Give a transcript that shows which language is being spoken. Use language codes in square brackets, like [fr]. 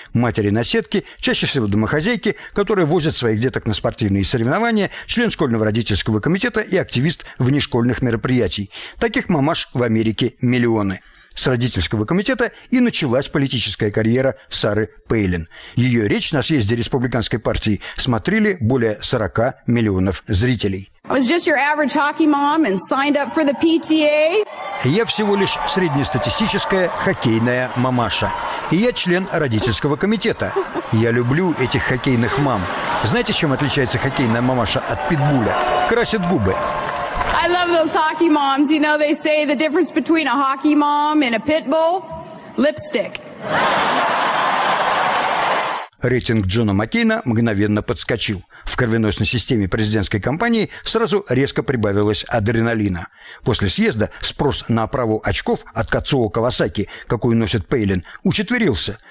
[ru] Матери на сетке, чаще всего домохозяйки, которые возят своих деток на спортивные соревнования, член школьного родительского комитета и активист внешкольных мероприятий. Таких мамаш в Америке миллионы. с родительского комитета и началась политическая карьера Сары Пейлин. Ее речь на съезде республиканской партии смотрели более 40 миллионов зрителей. [en] I was just your average hockey mom and signed up for the PTA. [ru] Я всего лишь среднестатистическая хоккейная мамаша. И я член родительского комитета. Я люблю этих хоккейных мам. Знаете, чем отличается хоккейная мамаша от питбуля? Красит губы. [en] I love those hockey moms. You know, they say the difference between a hockey mom and a pit bull? Lipstick. [ru] Рейтинг Джона Маккейна мгновенно подскочил. В кровеносной системе президентской кампании сразу резко прибавилось адреналина. После съезда спрос на оправу очков от Кацуо Кавасаки, какую носит Пейлин, учетверился.